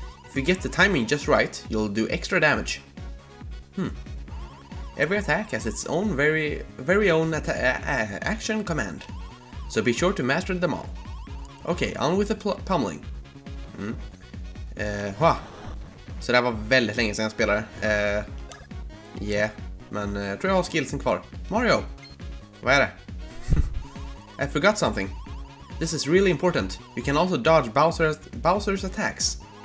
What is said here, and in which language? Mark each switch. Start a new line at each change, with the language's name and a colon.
English: If you get the timing just right, you'll do extra damage. Every attack has its own very own action command. So be sure to master them all. Okej, okay, on with the pummeling.
Swedish: Så det var väldigt länge sedan jag spelade. Yeah, men jag tror jag har skillsen kvar.
English: Mario!
Swedish: Vad är det?
English: I forgot something. This is really important. You can also dodge Bowser's attacks.